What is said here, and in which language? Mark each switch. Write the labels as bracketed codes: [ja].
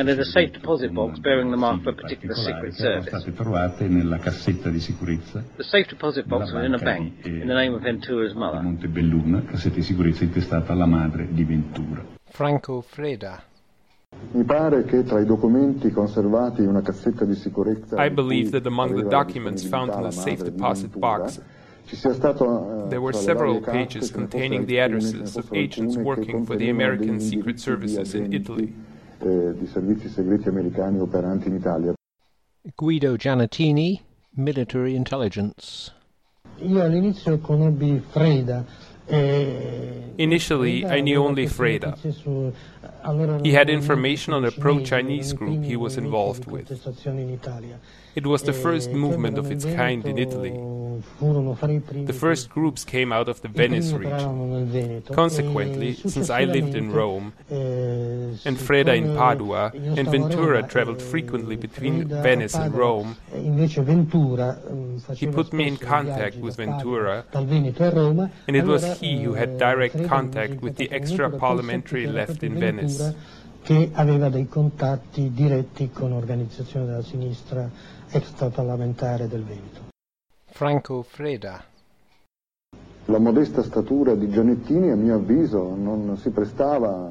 [en] and at a safe deposit box bearing the mark of a particular secret service. [it] State trovate nella cassetta di sicurezza. [en] The safe deposit box was in a bank in the name of Ventura's mother. [it] Monte Belluna, cassetta di sicurezza intestata alla madre di Ventura. [en] Franco Freda. [it] Mi pare che tra I documenti conservati in una cassetta di sicurezza [en] I believe that among the documents found in the safe deposit box there were several pages containing the addresses of agents working for the American Secret Services in Italy. [it] Di servizi segreti americani operanti in Italia. [en] Guido Giannettini, military intelligence. [it] Io all'inizio conobbi Freda [en] Initially, I knew only Freda. He had information on a pro-Chinese group he was involved with. It was the first movement of its kind in Italy. The first groups came out of the Venice region. Consequently, since I lived in Rome, and Freda in Padua, and Ventura traveled frequently between Venice and Rome, he put me in contact with Ventura, and it was he who had direct contact with the extra-parliamentary left in Venice. [it] Che aveva dei contatti diretti con l'organizzazione della sinistra extraparlamentare del Veneto. [en] Franco Freda. [it] La modesta statura di Giannettini, a mio avviso, non si prestava.